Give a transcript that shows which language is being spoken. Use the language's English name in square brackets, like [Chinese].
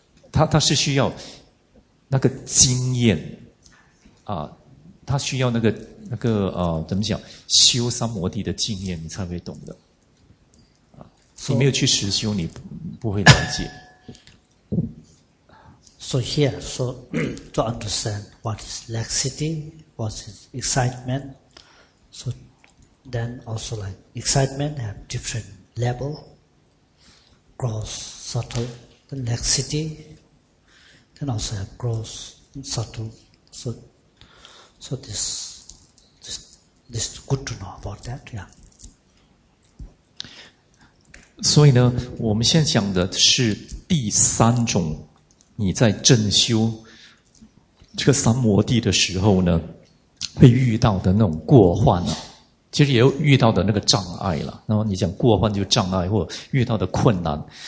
[Chinese] 他是需要那个经验啊，他需要那个怎么讲，修三摩地的经验你才会懂的。 So, 你没有去实修你不会了解。 [English] So here, so to understand what is laxity, what is excitement, so then also like excitement have different level, gross, subtle, the laxity,Then also have gross and subtle. So this is good to know about that, yeah. [Chinese] 所以呢，我们现在讲的是第三种，你在正修这个三摩地的时候呢，会遇到的那种过患了、啊。其实也有遇到的那个障碍了。然后你讲过患就障碍，或遇到的困难。